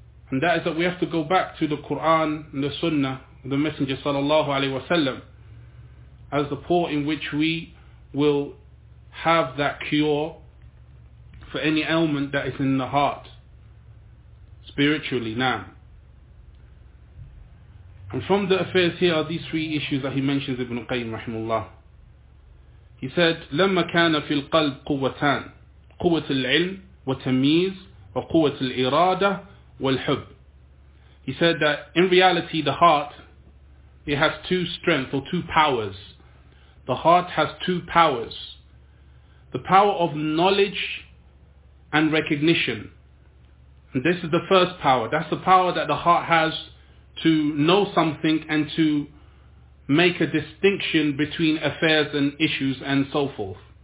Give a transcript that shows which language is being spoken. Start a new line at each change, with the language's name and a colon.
English: And that is that we have to go back to the Quran and the Sunnah, the Messenger sallallahu alayhi wasallam, as the port in which we will have that cure for any ailment that is in the heart. Spiritually now. And from the affairs here are these three issues that he mentions Ibn Qayyim rahimullah. He said,
Arabic: لَمَّا كَانَ فِي الْقَلْبِ قُوَّتَانِ قُوَّةِ الْعِلْمِ وَتَمِيزِ وَقُوَّةِ الْإِرَادَةِ وَالْحُبِّ.
English: He said that in reality the heart, it has two strengths or two powers. The heart has two powers. The power of knowledge and recognition. And this is the first power. That's the power that the heart has to know something and to make a distinction between affairs and issues and so forth.